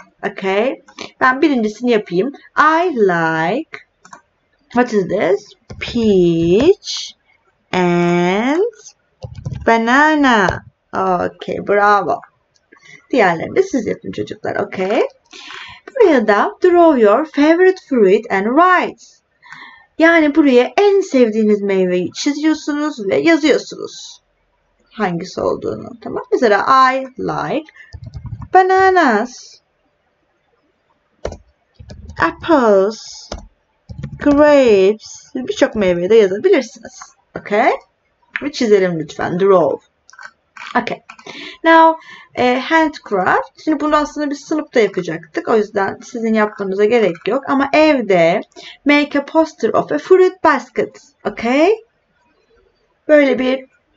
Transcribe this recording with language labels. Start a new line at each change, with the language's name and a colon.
Turkish: Okay, ben birincisini yapayım.
English: I like, what is this? Peach and banana. Okay, bravo.
Turkish: Diğerlerini de siz yapın çocuklar.
English: Okay.
Turkish: Buraya da
English: draw your favorite fruit and write.
Turkish: Yani buraya en sevdiğiniz meyveyi çiziyorsunuz ve yazıyorsunuz. Hangisi olduğunu. Tamam. Mesela
English: I like bananas, apples, grapes.
Turkish: Birçok meyveyi de yazabilirsiniz. Okay. Bir çizelim lütfen.
English: Draw.
Turkish: Okay.
English: Now, handcraft.
Turkish: Şimdi bunu aslında biz sınıfta yapacaktık. O yüzden sizin yapmanıza gerek yok. Ama evde
English: make a poster of a fruit basket. Okay?
Turkish: Böyle bir